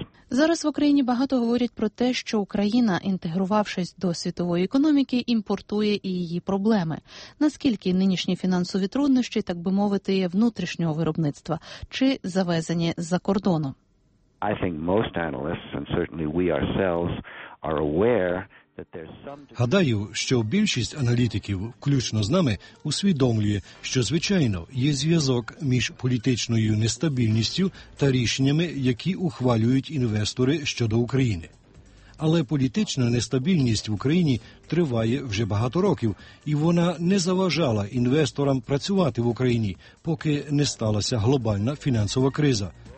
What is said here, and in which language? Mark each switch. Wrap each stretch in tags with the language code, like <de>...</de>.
<uk>Зараз в Україні багато говорять про те, що Україна, інтегрувавшись до світової економіки, імпортує і її проблеми. Наскільки нинішні фінансові труднощі, так би мовити, є внутрішнього виробництва чи завезені з-за кордону?</uk> <en>I think most analysts, and certainly we ourselves, are aware that there's some...</en> <uk>Гадаю, що більшість аналітиків, включно з нами, усвідомлює, що, звичайно, є зв'язок між політичною нестабільністю та рішеннями, які ухвалюють інвестори щодо України. Але політична нестабільність в Україні триває вже багато років, і вона не заважала інвесторам працювати в Україні, поки не сталася глобальна фінансова криза.</uk>